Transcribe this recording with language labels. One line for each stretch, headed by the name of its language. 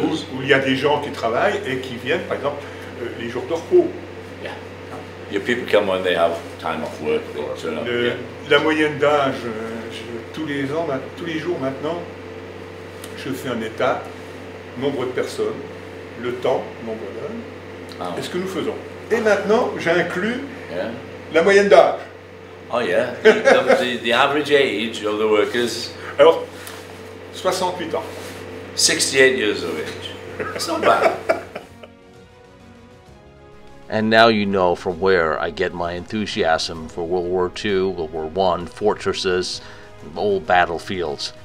French: Où il y a des gens qui travaillent et qui viennent, par exemple, les jours de repos.
English: Yeah. Your people come when they have time off work.
French: La moyenne d'âge, tous les jours maintenant, je fais un état. Nombre de personnes, le temps, nombre d'hommes, est-ce que nous faisons. Et maintenant, j'inclus la moyenne d'âge.
English: Oh yeah, the average age of the workers.
French: Alors, 68 ans.
English: 68 years of age. It's not bad. And now you know from where I get my enthusiasm for World War II, World War I, fortresses, old battlefields.